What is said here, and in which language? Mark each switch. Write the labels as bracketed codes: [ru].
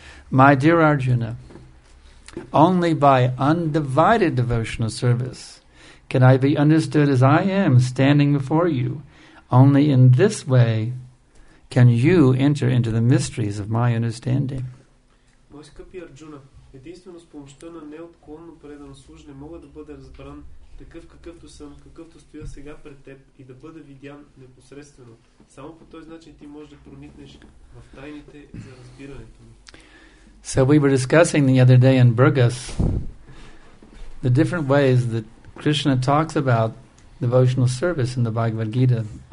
[en] My dear Arjuna, only by undivided devotional service can I be understood as I am standing before you. Only in this way can you enter into the mysteries of my understanding. [bg] Мой скъпи Арджуна, единствено с помощта на неотклонно предано служене мога да бъда разбран такъв какъвто съм, какъвто стоя сега пред теб и да бъда видян непосредствено. Само по този начин ти можеш да проникнеш в тайните за разбирането ми. [en] So we were discussing the other day in Burgas the different ways that Krishna talks about devotional service in the Bhagavad Gita.